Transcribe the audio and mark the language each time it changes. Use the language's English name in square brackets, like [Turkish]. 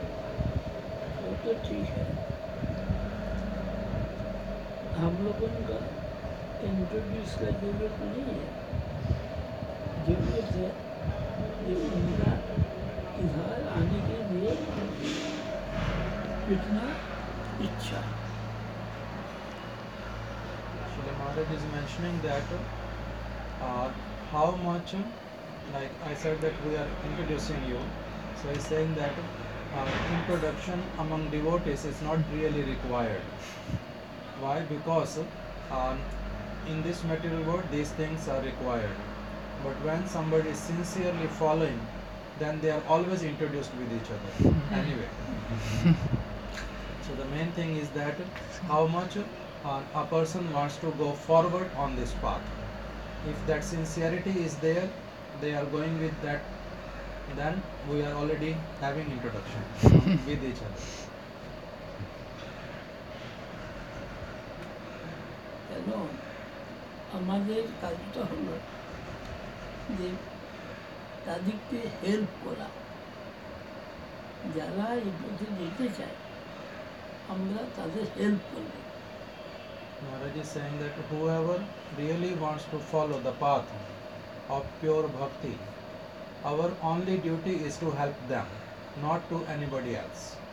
[Hindi] वो तो ठीक है, हम लोगों का इंट्रोड्यूस का जरूरत नहीं है, जरूरत है कि उनका इधर आने के लिए कितना इच्छा। [English] Shri Maharaj is mentioning that how much, like I said that we are introducing you, so he's saying that introduction among devotees is not really required. Why? Because in this material world these things are required, but when somebody is sincerely following, then they are always introduced with each other anyway. So the main thing is that how much a person wants to go forward on this path. If that sincerity is there, they are going with that, then we are already having introduction with each other. [Bangla] Hello, আমাদের কাজটা হলো যে তাদেরকে help করা, যারা এই পথে যেতে চায় আমরা তাদের হেল্প করব। [English] Maharaj is saying that whoever really wants to follow the path of pure bhakti, our only duty is to help them, not to anybody else.